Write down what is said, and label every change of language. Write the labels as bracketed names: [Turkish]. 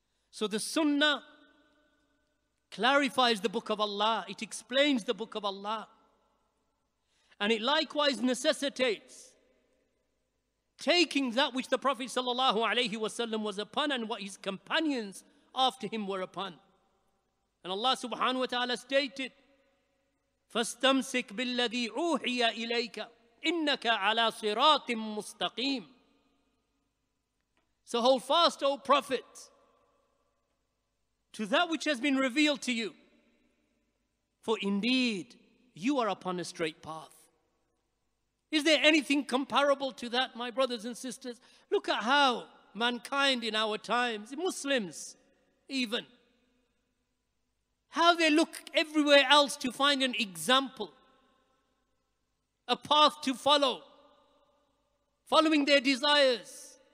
[English] So the Sunnah clarifies the book of Allah, it explains the book of Allah, and it likewise necessitates taking that which the Prophet sallallahu alayhi wasallam was upon, and what his companions after him were upon. And Allah subhanahu wa ta'ala stated, [Arabic] فَاسْتَمْسِكْ بِالَّذِي أُوحِيَ إِلَيْكَ إِنَّكَ عَلَىٰ صِرَاطٍ مُسْتَقِيمٍ. [English] So hold fast, O Prophet, to that which has been revealed to you, for indeed you are upon a straight path. Is there anything comparable to that, my brothers and sisters? Look at how mankind in our times, Muslims even, how they look everywhere else to find an example, a path to follow, following their desires.